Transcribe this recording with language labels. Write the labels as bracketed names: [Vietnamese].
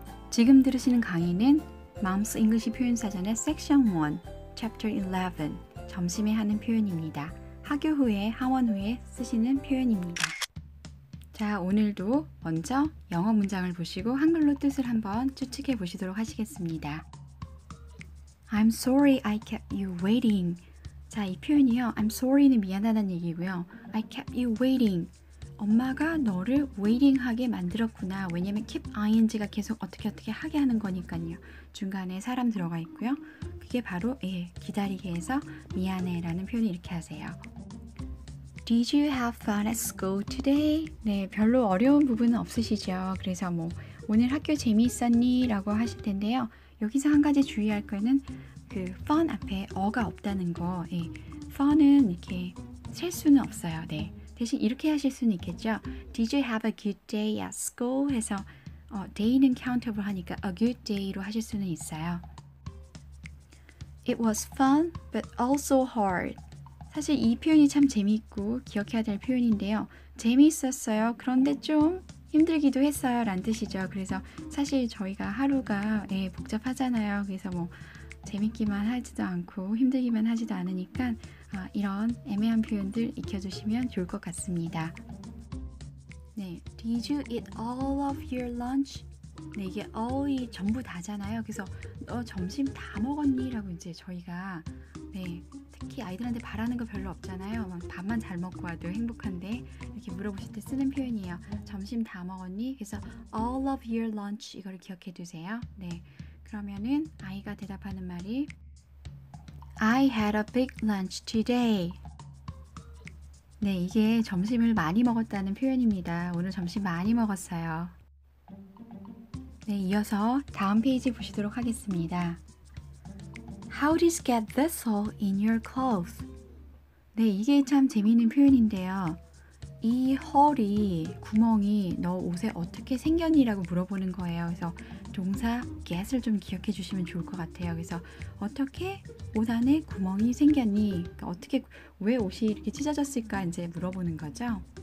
[Korean] 지금 들으시는 강의는 Mom's English 표현 사전의 Section 1, Chapter 11, 점심에 하는 표현입니다. 하교 후에, 하원 후에 쓰시는 표현입니다. 자, 오늘도 먼저 영어 문장을 보시고 한글로 뜻을 한번 추측해 보시도록 하시겠습니다. [English] I'm sorry I kept you waiting. [Korean] 자, 이 표현이요. [English] I'm sorry [Korean] 는 미안하다는 얘기고요. [English] I kept you waiting. [Korean] 엄마가 너를 waiting하게 만들었구나. 왜냐면 keep ing가 계속 어떻게 하게 하는 거니까요. 중간에 사람 들어가 있고요. 그게 바로 기다리게 해서 미안해 라는 표현을 이렇게 하세요. [English] Did you have fun at school today? [Korean] 네, 별로 어려운 부분은 없으시죠. 그래서 뭐 오늘 학교 재미있었니? 라고 하실 텐데요. 여기서 한 가지 주의할 거는 그 fun 앞에 어가 없다는 거. 네, fun은 이렇게 셀 수는 없어요. 네, 대신 이렇게 하실 수는 있겠죠. [English] Did you have a good day at school? [Korean] 해서 day는 countable 하니까 [English] a good day [Korean] 로 하실 수는 있어요. [English] It was fun but also hard. [Korean] 사실 이 표현이 참 재미있고 기억해야 될 표현인데요. 재미있었어요. 그런데 좀 힘들기도 했어요. 라는 뜻이죠. 그래서 사실 저희가 하루가 복잡하잖아요. 그래서 뭐 재밌기만 하지도 않고 힘들기만 하지도 않으니까 이런 애매한 표현들 익혀주시면 좋을 것 같습니다. 네, [English] Did you eat all of your lunch? [Korean] 네, 이게 all이 전부 다잖아요. 그래서 너 점심 다 먹었니? 라고 이제 저희가 특히 아이들한테 바라는 거 별로 없잖아요. 밥만 잘 먹고 와도 행복한데 이렇게 물어보실 때 쓰는 표현이에요. 점심 다 먹었니? 그래서 [English] all of your lunch [Korean] 이거를 기억해 두세요. 네, 그러면은 아이가 대답하는 말이 [English] I had a big lunch today. [Korean] 네, 이게 점심을 많이 먹었다는 표현입니다. 오늘 점심 많이 먹었어요. 네, 이어서 다음 페이지 보시도록 하겠습니다. [English] How did you get this hole in your clothes? [Korean] 네, 이게 참 재미있는 표현인데요. 이 hole이, 구멍이 너 옷에 어떻게 생겼니? 라고 물어보는 거예요. 그래서 동사 get을 좀 기억해 주시면 좋을 것 같아요. 그래서 어떻게 옷 안에 구멍이 생겼니? 그러니까 어떻게, 왜 옷이 이렇게 찢어졌을까? 이제 물어보는 거죠.